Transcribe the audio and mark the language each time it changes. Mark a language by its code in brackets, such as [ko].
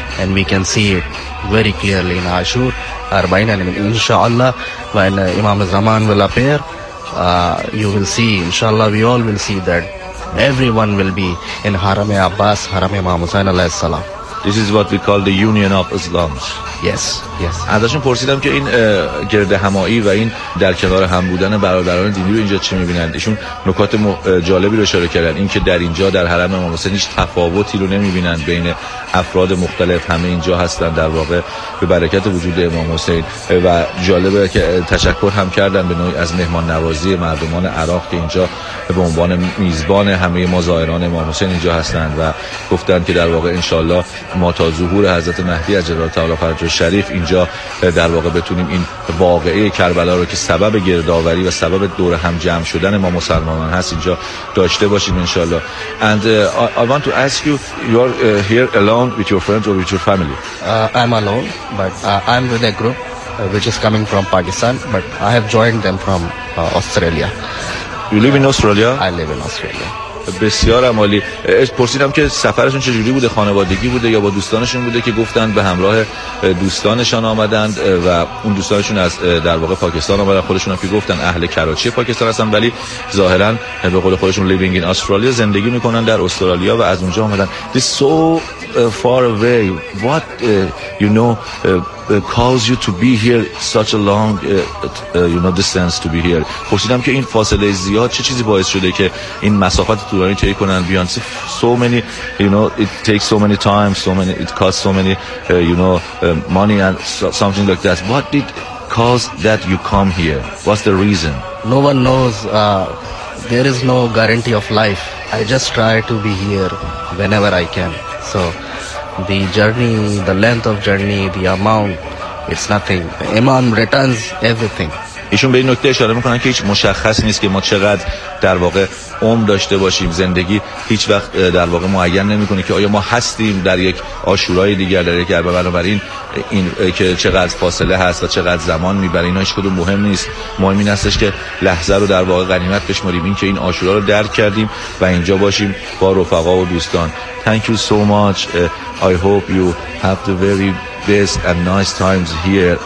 [en] And we can see it very clearly in Ashur, Arbaeen, and inshallah, when Imam Zaman will appear, you will see, inshallah, we all will see that everyone will be in Haram-e-Abbas, Haram-e-Imam Hussain alayhi salam. This is what we call the union of Islam. Yes, yes. [fa] ازشون پرسیدم که این گرد همایی و این در کنار هم بودن برادران دینی رو اینجا چه می‌بینند؟ ایشون نکات جالبی رو اشاره کردن، این که در اینجا در حرم امام حسین هیچ تفاوتی رو نمی‌بینند بین افراد مختلف، همه اینجا هستند در واقع به برکت وجود امام حسین. و جالبه که تشکر هم کردن به نوعی از مهمان نوازی مردمان عراق که اینجا به عنوان میزبان همه ما زائران امام حسین اینجا هستند و گفتن که در واقع ان شاءالله ما تا ظهور حضرت مهدی عجل الله تعالی فرجه شریف اینجا در واقع بتونیم این واقعه کربلا رو که سبب گردآوری و سبب دور هم جمع شدن ما مسلمانان هست اینجا داشته باشیم ان شاءالله. [en] And I want to ask you, you are here alone with your friends or with your family? I'm alone, but I'm with a group which is coming from Pakistan, but I have joined them from Australia. You live in Australia? I live in Australia. [fa] بسیار عمالی. پرسیدم که سفرشون چجوری بوده، خانوادگی بوده یا با دوستانشون بوده که گفتن به همراه دوستانشان آمدند و اون دوستانشون از در واقع پاکستان آمدند، خودشون هم که گفتن اهل کراچی پاکستان هستن ولی ظاهرن به قول خودشون [en] living in Australia، [fa] زندگی میکنن در استرالیا و از اونجا آمدن. [en] This so far away, what you know cause you to be here such a long you know distance to be here. [fa] پرسیدم که این فاصله زیاد چه چیزی باعث شده که این مسافت طولانی طی کنن بیان. [en] So many you know it takes so many time, so many it costs so many you know money and something like that. What did cause that you come here? What's the reason? No one knows. There is no guarantee of life. I just try to be here whenever I can. So the journey, the length of journey, the amount, it's nothing. Imam returns everything. [fa] ایشون به این نکته اشاره میکنن که هیچ مشخص نیست که ما چقدر در واقع عمر داشته باشیم. زندگی هیچ وقت در واقع معین نمیکنه که آیا ما هستیم در یک عاشورای دیگر، در یک عرب. بنابراین این که چقدر فاصله هست و چقدر زمان میبره اینا هیچ کدوم مهم نیست. مهم این هستش که لحظه رو در واقع غنیمت بشماریم، این که این عاشورا رو درک کردیم و اینجا باشیم با رفقا و دوستان. [en] Thank you so much. I hope you have the very best and nice times here.